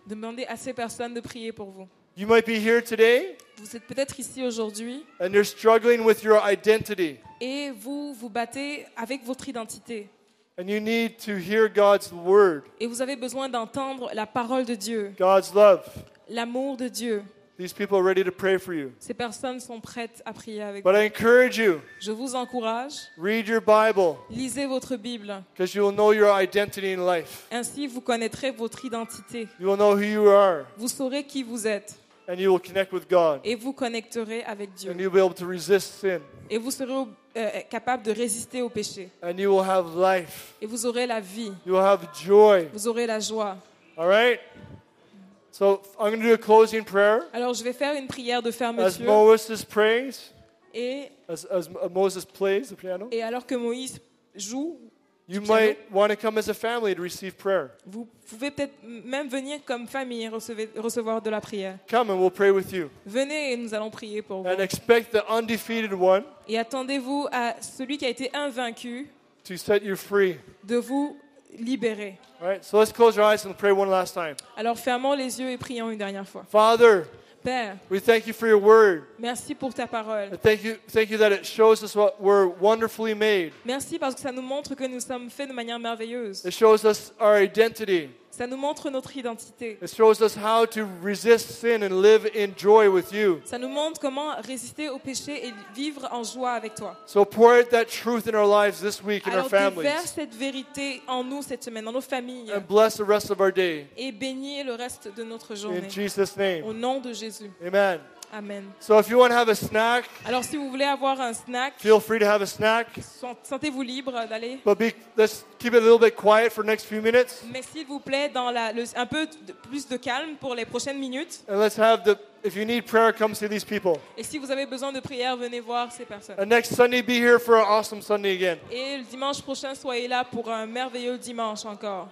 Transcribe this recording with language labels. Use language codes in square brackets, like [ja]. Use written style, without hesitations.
[fr] Demandez à ces personnes de prier pour vous. [en] You might be here today. [fr] Vous êtes peut-être ici aujourd'hui. [en] And you're struggling with your identity. [fr] Et vous vous battez avec votre identité. [en] And you need to hear God's word. [fr] Et vous avez besoin d'entendre la parole de Dieu. [en] God's love. [fr] L'amour de Dieu. [en] These people are ready to pray for you. [fr] Ces personnes sont prêtes à prier avec [en] But [fr] vous. [en] I encourage you. [fr] Je vous encourage. [en] Read your Bible. [fr] Lisez votre Bible. [en] Because you will know your identity in life. [fr] Ainsi vous connaîtrez votre identité. [en] You will know who you are. [fr] Vous saurez qui vous êtes. [en] And you will connect with God. [fr] Et vous connecterez avec Dieu. [en] And you'll be able to resist sin. [fr] Et vous serez capable de résister au péché. [en] And you will have life. [fr] Et vous aurez la vie. [en] You will have joy. [fr] Vous aurez la joie. [en] All right? So I'm going to do a closing prayer. [fr] Alors je vais faire une prière de fermeture. [en] As Moses prays. [fr] Et [en] as Moses plays the piano. [fr] Et alors que Moïse joue. [en] You might want to come as a family to receive prayer. [fr] Vous pouvez peut-être même venir comme famille recevoir de la prière. [en] Come and we'll pray with you. [fr] Venez et nous allons prier pour vous. [en] And expect the undefeated one. [fr] Et attendez-vous à celui qui a été invaincu. [en] To set you free. [fr] De vous libérer. [en] All right, so let's close our eyes and pray one last time. [fr] Alors fermons les yeux et prions une dernière fois. [en] Father. [fr] Père. [en] We thank you for your word. [fr] Merci pour ta parole. [en] Thank you that it shows us what we're wonderfully made. [fr] Merci parce que ça nous montre que nous sommes faits de manière merveilleuse. [en] It shows us our identity. [fr] Ça nous montre notre identité. [en] It shows us how to resist sin and live in joy with you. [fr] Ça nous montre comment résister au péché et vivre en joie avec toi. [en] So pour that truth in our lives this week in [fr] Alors, [en] our families. [fr] Alors déverse cette vérité en nous cette semaine dans nos familles. [en] And bless the rest of our day. [fr] Et bénis le reste de notre journée. [en] In Jesus' name. [fr] Au nom de Jésus. [en] Amen. [fr] Amen. [en] So if you want to have a snack, [fr] Alors si vous voulez avoir un snack, [en] feel free to have a snack. [fr] Sentez-vous libre d'aller. [en] But let's keep it a little bit quiet for the next few minutes. [fr] Mais s'il vous plaît, dans un peu plus de calme pour les prochaines minutes. [en] And let's have the If you need prayer, come see these people. [fr] Et si vous avez besoin de prière, venez voir ces personnes. [en] And next Sunday, be here for an awesome Sunday again. [fr] Et le dimanche prochain, soyez là pour un merveilleux dimanche encore.